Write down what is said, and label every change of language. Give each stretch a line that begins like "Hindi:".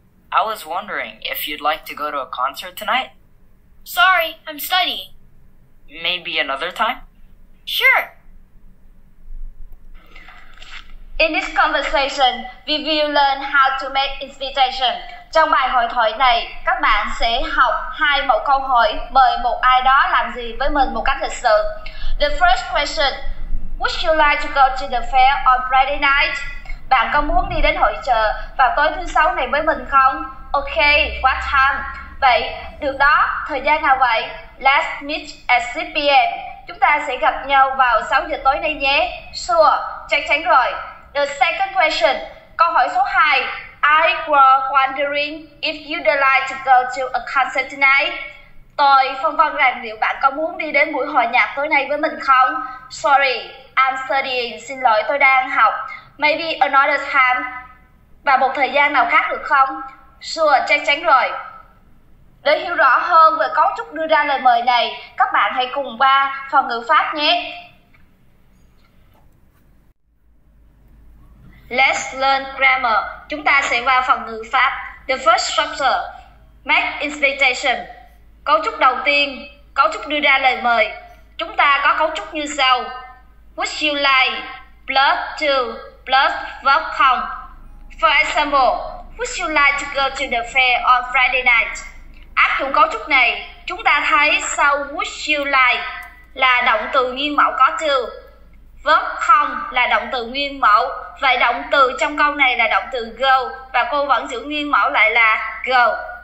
English: I was wondering if you'd like to go to a concert tonight? Sorry, I'm studying. Maybe another time? Sure. In this conversation, we will learn how to make invitation.
Vietnamese: Trong bài hội thoại này, các bạn sẽ học hai mẫu câu hỏi mời một ai đó làm gì với mình một cách lịch sự.
English: The first question, would you like to go to the fair on Friday night?
Vietnamese: Bạn có muốn đi đến hội chợ vào tối thứ sáu này với mình không?
English: Okay, what time?
Vietnamese: Vậy, được đó, thời gian nào vậy?
English: Let's meet at 6 p.m.
Vietnamese: Chúng ta sẽ gặp nhau vào 6 giờ tối nay nhé. Sure, chắc chắn rồi.
English: The second question,
Vietnamese: câu hỏi số 2.
English: I was wondering if you'd like to go to a concert tonight.
Vietnamese: Tôi phân vân rằng liệu bạn có muốn đi đến buổi hòa nhạc tối nay với mình không?
English: Sorry, I'm studying.
Vietnamese: Xin lỗi, tôi đang học.
English: Maybe another time.
Vietnamese: Và một thời gian nào khác được không? Sure, chắc chắn rồi. Để hiểu rõ hơn về cấu trúc đưa ra lời mời này, các bạn hãy cùng qua phần ngữ pháp nhé.
English: Let's learn grammar.
Vietnamese: Chúng ta sẽ qua phần ngữ pháp.
English: The first structure, make invitation.
Vietnamese: Cấu trúc đầu tiên, cấu trúc đưa ra lời mời. Chúng ta có cấu trúc như sau.
English: Would you like plus to plus verb count. For example, would you like to go to the fair on Friday night?
Vietnamese: Áp dụng cấu trúc này, chúng ta thấy sau would you like là động từ nguyên mẫu có to. Verb count là động từ nguyên mẫu. Vậy động từ trong câu này là động từ go và cô vẫn giữ nguyên mẫu lại là go.